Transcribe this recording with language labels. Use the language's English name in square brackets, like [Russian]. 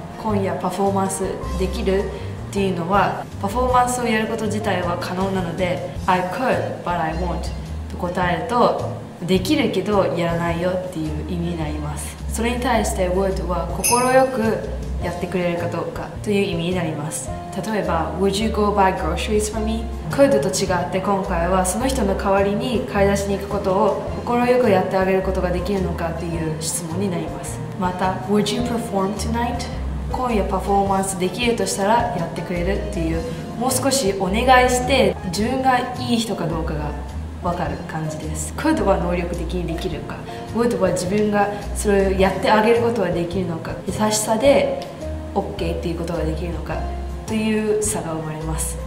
[Japanese] 今夜パフォーマンスできるっていうのは、パフォーマンスをやること自体は可能なので、 [English] I could but I won't [Japanese] と答えると、できるけどやらないよっていう意味になります。それに対して Would は快くやってくれるかどうかという意味になります。例えば [English] Would you go buy groceries for me? [Japanese] Could と違って、今回はその人の代わりに買い出しに行くことを快くやってあげることができるのかという質問になります。また [English] Would you perform tonight? [Japanese] 今夜パフォーマンスできるとしたらやってくれるっていう、もう少しお願いして自分がいい人かどうかが分かる感じです。 Could は能力的にできるか、 Would は自分がそれをやってあげることができるのか、優しさで OK っていうことができるのかという差が生まれます。